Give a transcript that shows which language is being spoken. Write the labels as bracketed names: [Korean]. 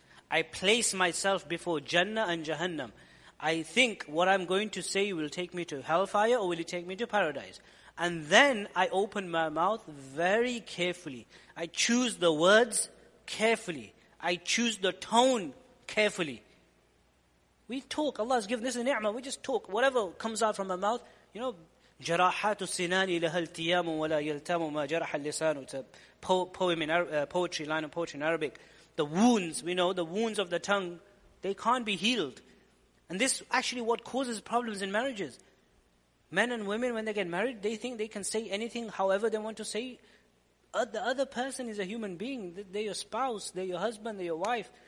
[English] I place myself before Jannah and Jahannam. I think what I'm going to say will take me to hellfire or will it take me to paradise. And then I open my mouth very carefully. I choose the words carefully. I choose the tone carefully. We talk, Allah has given this a ni'mah, we just talk. Whatever comes out from our mouth, you know, [Arabic] جراحات السنان لها التيام ولا يلتام ما جرح اللسان. [English] It's a poem in poetry, line of poetry in Arabic. The wounds, we know, the wounds of the tongue, they can't be healed. And this actually what causes problems in marriages. Men and women, when they get married, they think they can say anything however they want to say. The other person is a human being. They're your spouse, they're your husband, they're your wife.